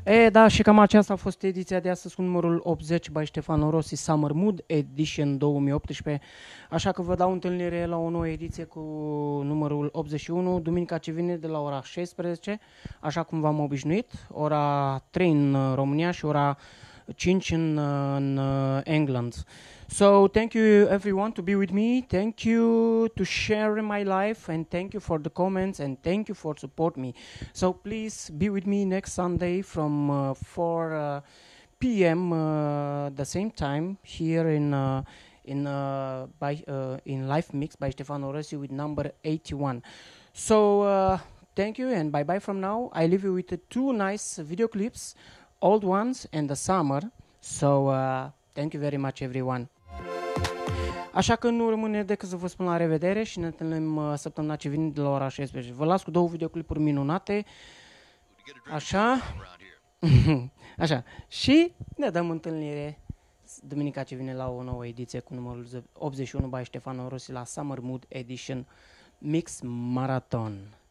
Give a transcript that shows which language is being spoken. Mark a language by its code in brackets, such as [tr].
[ro] Da, și cam aceasta a fost ediția de astăzi cu numărul 80 by Ștefan Orosi Summer Mood Edition 2018. Așa că vă dau întâlnire la o nouă ediție cu numărul 81 duminica ce vine de la ora 16, așa cum v-am obișnuit, ora 3 în România și ora 5 în England. [en] So, thank you everyone to be with me. Thank you to share my life and thank you for the comments and thank you for support me. So, please be with me next Sunday from 4 p.m. The same time here in Life Mix by Ștefan Orosi with number 81. So, thank you and bye-bye from now. I leave you with two nice video clips, old ones and the summer. So, thank you very much everyone. [ro] Așa că nu rămâne decât să vă spun la revedere și ne întâlnim săptămâna ce vine de la ora 16. Vă las cu două videoclipuri minunate. Așa. Așa. Și ne dăm întâlnire duminica ce vine la o nouă ediție cu numărul 81 by Ștefan Orosi la Summer Mood Edition Mix Marathon.